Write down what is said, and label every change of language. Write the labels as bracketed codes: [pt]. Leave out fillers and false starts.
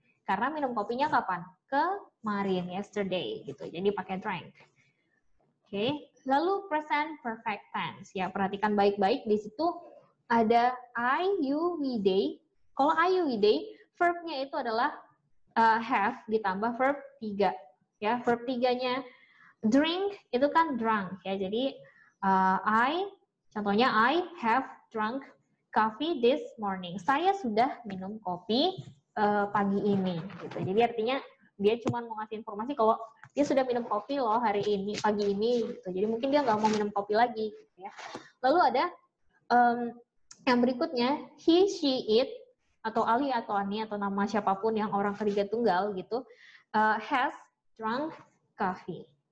[id] Karena minum kopinya kapan? Kemarin, yesterday, gitu. Jadi pakai drank. Oke, okay. Lalu present perfect tense. Ya, perhatikan baik-baik di situ ada I, you, we, they. Kalau I, you, we, they, verb-nya itu adalah have ditambah verb 3. Ya, verb 3-nya drink itu kan drunk. Ya, jadi contohnya [en] I have drunk coffee this morning. [id] Saya sudah minum kopi pagi ini. Gitu. Jadi artinya dia cuma mau ngasih informasi kalau dia sudah minum kopi loh hari ini, pagi ini. Gitu. Jadi mungkin dia nggak mau minum kopi lagi. Gitu ya. Lalu ada yang berikutnya, he, she, it, atau Ali, atau Ani, atau nama siapapun yang orang ketiga tunggal, gitu, [en] has drunk coffee.